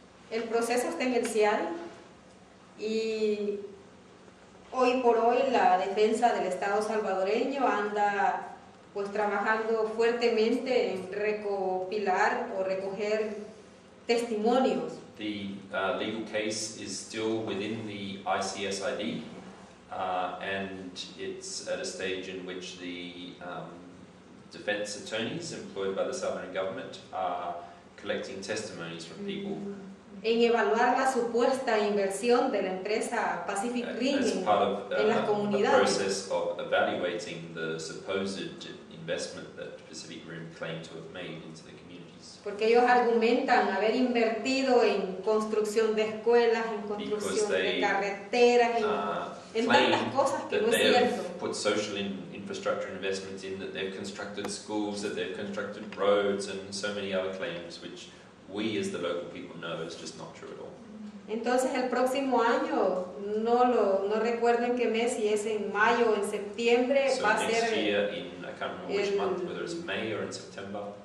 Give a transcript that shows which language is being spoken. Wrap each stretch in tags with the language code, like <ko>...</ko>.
<es>El proceso está inicial y hoy por hoy la defensa del Estado salvadoreño anda pues trabajando fuertemente en recopilar o recoger testimonios.</es> <en>The legal case is still within the ICSID and it's at a stage in which the defense attorneys employed by the Salvadoran government are collecting testimonies from people.</en> <es>En evaluar la supuesta inversión de la empresa Pacific Rim en las comunidades.</es> <en>As part of a process of evaluating the supposed investment that Pacific Rim claimed to have made into the communities.</en> <es>Porque ellos argumentan haber invertido en construcción de escuelas, en construcción de carreteras, en tantas cosas que no es cierto.</es> <en>Put social infrastructure investments in, that they've constructed schools, that they've constructed roads, and so many other claims which we as the local people know it's just not true at all.</en> <es>Entonces el próximo año, no recuerden qué mes, si es en mayo o en septiembre,</es> <en>so</en> <es>va a ser...</es> <en>So next year, I can't remember which month, whether it's May or in September.</en>